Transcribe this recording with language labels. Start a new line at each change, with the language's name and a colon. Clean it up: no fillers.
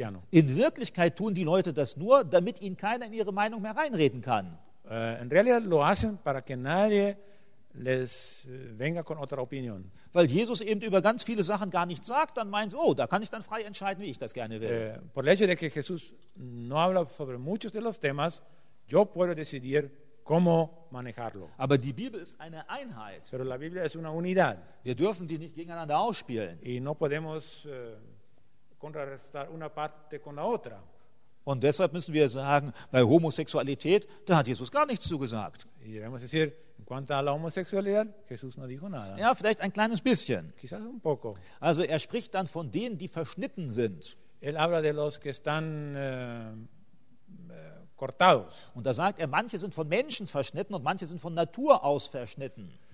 German: In Wirklichkeit tun die Leute das nur, damit ihnen keiner in ihre Meinung mehr reinreden kann.
Spanish: En realidad lo hacen para que nadie les venga con otra opinión.
German: Weil Jesus eben über ganz viele Sachen gar nichts sagt, dann meint, oh, da kann ich dann frei entscheiden, wie ich das gerne will.
Spanish: Por el hecho de que Jesús no habla sobre muchos de los temas, yo puedo decidir cómo manejarlo.
German: Aber die Bibel ist eine Einheit.
Spanish: Pero la Biblia es una unidad.
German: Wir dürfen die nicht gegeneinander ausspielen.
Spanish: Y no podemos contrarrestar una parte con la otra.
German: Und deshalb müssen wir sagen, bei Homosexualität, da hat Jesus gar nichts zugesagt.
Spanish: Y debemos decir, en cuanto a la homosexualidad, Jesús no dijo nada.
German: Ja, vielleicht ein kleines bisschen.
Spanish: Quizás un poco.
German: Also er spricht dann von denen, die verschnitten sind.
Spanish: Él habla de los que están cortados.
German: Und da sagt er, manche sind von Menschen verschnitten und manche sind von Natur aus verschnitten.